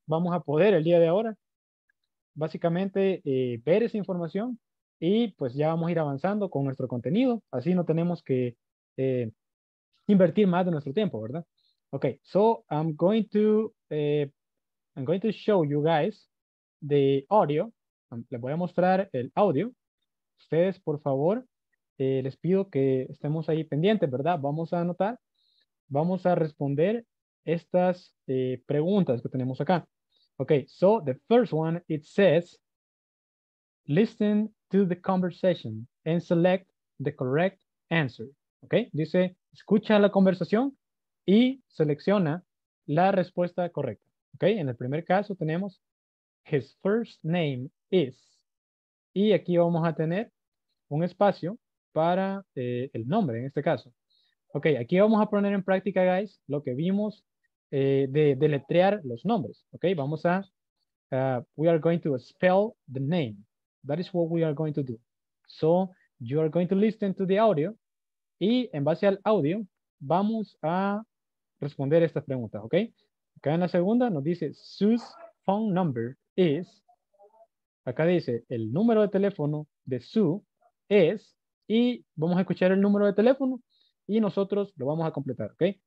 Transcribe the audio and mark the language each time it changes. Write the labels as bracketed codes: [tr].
[es] Vamos a poder el día de ahora, básicamente, ver esa información y pues ya vamos a ir avanzando con nuestro contenido. Así no tenemos que invertir más de nuestro tiempo, ¿verdad? [en] Ok, so I'm going to show you guys [es] de audio. Les voy a mostrar el audio. Ustedes, por favor, les pido que estemos ahí pendientes, ¿verdad? Vamos a anotar, vamos a responder estas preguntas que tenemos acá. [en] Okay, so the first one, it says, listen to the conversation and select the correct answer. [es] Okay, dice, escucha la conversación y selecciona la respuesta correcta. Okay, en el primer caso tenemos, [en] his first name is, [es] y aquí vamos a tener un espacio para el nombre en este caso. Ok, aquí vamos a poner en práctica, guys, lo que vimos de deletrear los nombres. [en] Ok, [es] vamos a, [en] we are going to spell the name. That is what we are going to do. So, you are going to listen to the audio. [es] Y en base al audio, vamos a responder estas preguntas. Ok, acá en la segunda nos dice, [en] Sue's phone number is, [es] acá dice, el número de teléfono de Sue es, y vamos a escuchar el número de teléfono y nosotros lo vamos a completar, ¿ok?